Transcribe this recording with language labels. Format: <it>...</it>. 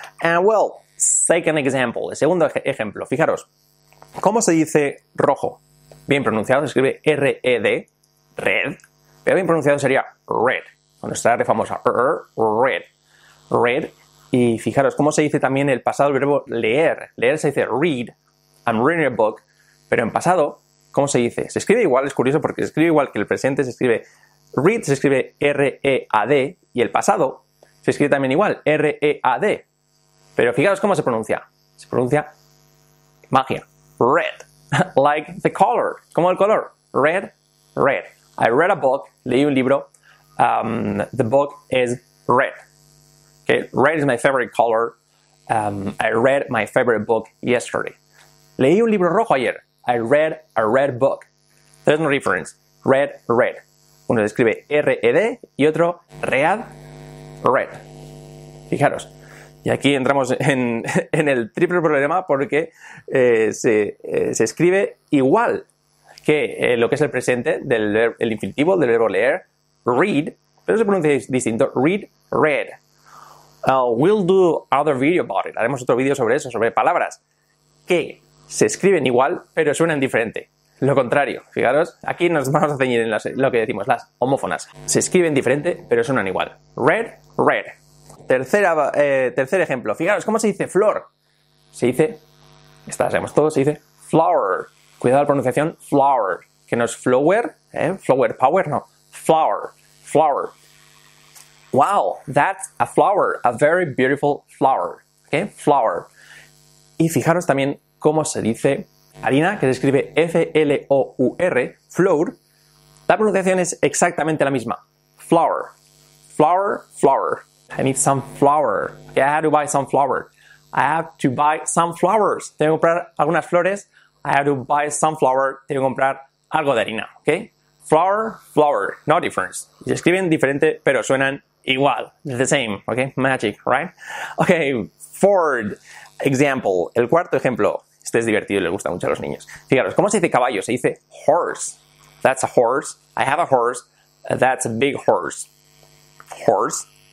<en>And well, second example,</en> <es>el segundo ejemplo. Fijaros, ¿cómo se dice rojo? Bien pronunciado, se escribe R-E-D, red. Pero bien pronunciado sería red, con nuestra R famosa, red, red. Y fijaros, ¿cómo se dice también el pasado del verbo leer? Leer se dice</es> <en>read, I'm reading a book.</en> <es>Pero en pasado, ¿cómo se dice? Se escribe igual, es curioso porque se escribe igual que el presente, se escribe read, se escribe R-E-A-D, y el pasado se escribe también igual, R-E-A-D. Pero fijaros cómo se pronuncia. Se pronuncia magia.</es> <en>Red, like the color.</en> <es>¿Cómo el color?</es> <en>Red, red. I read a book,</en> <es>leí un libro.</es> <en>The book is red. Okay? Red is my favorite color. I read my favorite book yesterday.</en> <es>Leí un libro rojo ayer.</es> <en>I read a red book. There's no difference. Red, red.</en> <es>Uno escribe R-E-D y otro read, red. Fijaros. Y aquí entramos en el triple problema porque se escribe igual que lo que es el presente del el infinitivo del verbo leer, read, pero se pronuncia distinto, read, read.</es> <en>We'll do other video about it.</en> <es>Haremos otro vídeo sobre eso, sobre palabras que se escriben igual pero suenan diferente. Lo contrario, fijaros, aquí nos vamos a ceñir en lo que decimos, las homófonas. Se escriben diferente, pero suenan igual. Red, red. Tercer ejemplo. Fijaros, ¿cómo se dice flor? Se dice, esta la sabemos todos, se dice flower. Cuidado la pronunciación, flower. Que no es flower, flower power, no. Flower, flower.</es> <en>Wow, that's a flower, a very beautiful flower. ¿Ok? Flower.</en> <es>Y fijaros también cómo se dice harina, que se escribe F-L-O-U-R, flour, la pronunciación es exactamente la misma.</es> <en>Flour, flour, flour. I need some flour. Okay, I have to buy some flour. I have to buy some flowers.</en> <es>Tengo que comprar algunas flores.</es> <en>I have to buy some flour.</en> <es>Tengo que comprar algo de harina.</es> <en>Okay? Flour, flour, no difference.</en> <es>Se escriben diferente, pero suenan igual.</es> <en>The same. Okay? Magic, right? Okay, fourth example.</en> <es>El cuarto ejemplo. Este es divertido y le gusta mucho a los niños. Fijaros, ¿cómo se dice caballo? Se dice</es> <en>horse. That's a horse. I have a horse. That's a big horse. Horse.</en>